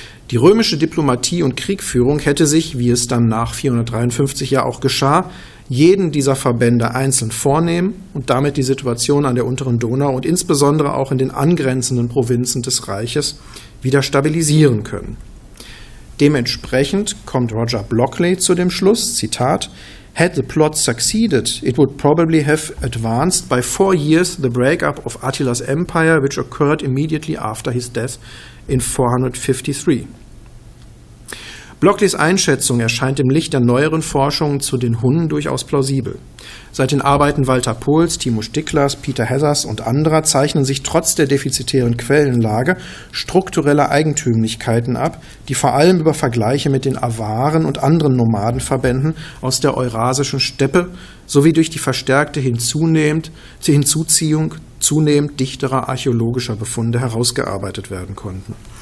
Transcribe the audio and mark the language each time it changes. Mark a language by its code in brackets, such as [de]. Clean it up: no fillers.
[de] Die römische Diplomatie und Kriegführung hätte sich, wie es dann nach 453 ja auch geschah, jeden dieser Verbände einzeln vornehmen und damit die Situation an der unteren Donau und insbesondere auch in den angrenzenden Provinzen des Reiches wieder stabilisieren können. Dementsprechend kommt Roger Blockley zu dem Schluss, Zitat, [en] "Had the plot succeeded, it would probably have advanced by 4 years the breakup of Attila's empire, which occurred immediately after his death in 453. [de] Blockleys Einschätzung erscheint im Licht der neueren Forschungen zu den Hunnen durchaus plausibel. Seit den Arbeiten Walter Pohls, Timo Sticklers, Peter Heathers und anderer zeichnen sich trotz der defizitären Quellenlage strukturelle Eigentümlichkeiten ab, die vor allem über Vergleiche mit den Awaren und anderen Nomadenverbänden aus der eurasischen Steppe sowie durch die verstärkte Hinzuziehung zunehmend dichterer archäologischer Befunde herausgearbeitet werden konnten.